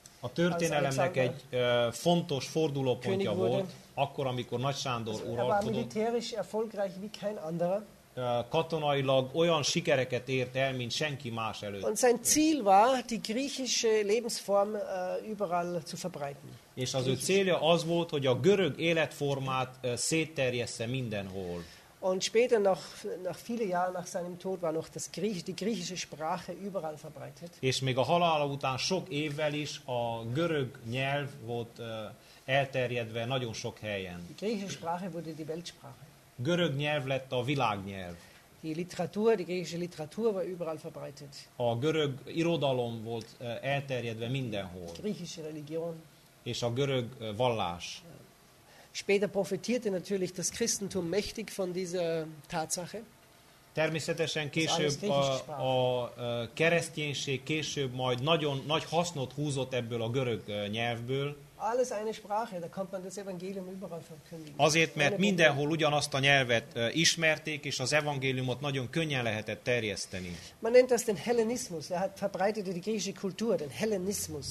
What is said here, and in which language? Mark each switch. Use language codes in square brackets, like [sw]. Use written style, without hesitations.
[hu] A történelemnek egy fontos fordulópontja volt, akkor amikor Nagy Sándor uralkodott. [de] Er war militärisch erfolgreich wie kein anderer. [hu] Katonailag olyan sikereket ért el, mint senki más előtt. [de] Und sein Ziel war, die griechische Lebensform überall zu verbreiten. [hu] És az ő célja az volt, hogy a görög életformát szétterjessze mindenhol. [de] Und später noch nach viele Jahre nach seinem Tod war noch das die griechische Sprache überall verbreitet. [hu] És még a halála után sok évvel is a görög nyelv volt elterjedve nagyon sok helyen. [de] Die griechische Sprache wurde die Weltsprache. [hu] Görög nyelv lett a világnyelv. [de] Die Literatur, die griechische Literatur war überall verbreitet. [hu] A görög irodalom volt elterjedve mindenhol. [de] Die griechische Religion. [hu] És a görög vallás. [de] Später profitierte natürlich das Christentum mächtig von dieser Tatsache. [hu] Természetesen később a kereszténység később majd nagyon nagy hasznot húzott ebből a görög nyelvből. [de] Alles eine Sprache, da konnte man das Evangelium überall verkündigen. [hu] Azért, mert mindenhol ugyanazt a nyelvet ismerték, és az evangéliumot nagyon könnyen lehetett terjeszteni. [de] Man nennt das den Hellenismus, er hat verbreitete die griechische Kultur, den Hellenismus.